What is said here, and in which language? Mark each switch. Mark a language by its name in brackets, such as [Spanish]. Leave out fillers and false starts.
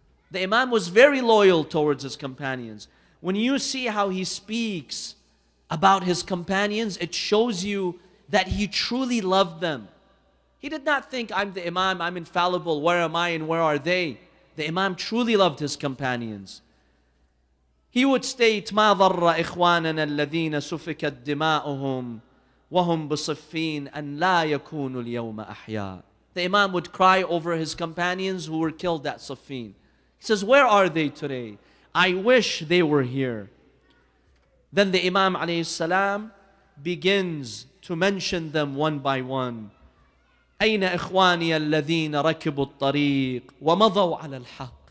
[English] The Imam was very loyal towards his companions. When you see how he speaks about his companions, it shows you that he truly loved them. He did not think, I'm the Imam, I'm infallible, where am I and where are they? The Imam truly loved his companions. He would state, [Arabic] مَا ضَرَّ إِخْوَانَنَا الَّذِينَ سُفِكَتْ دِمَاؤُهُمْ وَهُمْ بِصَفِّينَ أَنْ لَا يَكُونُ الْيَوْمَ أَحْيَا. [English] The Imam would cry over his companions who were killed at Safin. He says, where are they today? I wish they were here. Then the Imam alayhi salam begins to mention them one by one. [Arabic] أَيْنَ إِخْوَانِيَ الَّذِينَ رَكِبُوا الطَّرِيقِ وَمَضَوْا عَلَى الْحَقِّ.